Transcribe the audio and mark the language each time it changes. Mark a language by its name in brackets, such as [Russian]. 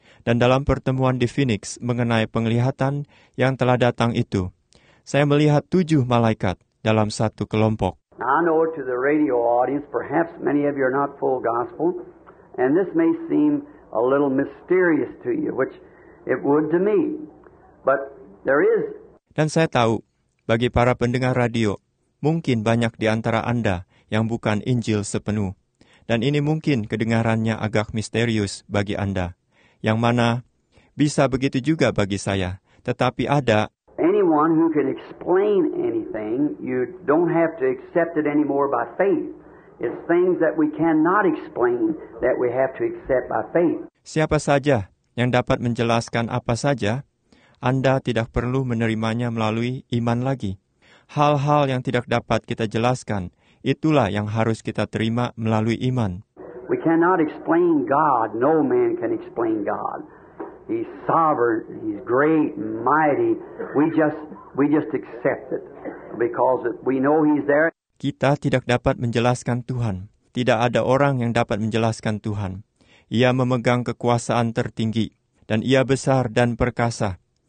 [Indonesian] Dan dalam pertemuan di Phoenix mengenai penglihatan yang telah datang itu, saya melihat 7 malaikat dalam satu kelompok. [English] I know to the radio audience, perhaps many of you are not full gospel, and this may seem a little mysterious to you, which it would to me, but there is... [Indonesian] Dan saya tahu, bagi para pendengar radio, mungkin banyak di antara Anda yang bukan Injil sepenuh. Dan ini mungkin kedengarannya agak misterius bagi Anda. Yang mana bisa begitu juga bagi saya. Tetapi ada... [English] Anyone who can explain anything, you don't have to accept it anymore by faith. It's things that we cannot explain that we have to accept by faith. [Indonesian] Siapa saja yang dapat menjelaskan apa saja, Anda tidak perlu menerimanya melalui iman lagi. Hal-hal yang tidak dapat kita jelaskan, itulah yang harus kita terima melalui iman. [English] We cannot explain God. No man can explain God. He's sovereign, he's great, mighty. We just accept it because we know he's there. [Indonesian] Kita tidak dapat menjelaskan Tuhan. Tidak ada orang yang dapat menjelaskan Tuhan. Ia memegang kekuasaan tertinggi dan ia besar dan perkasa.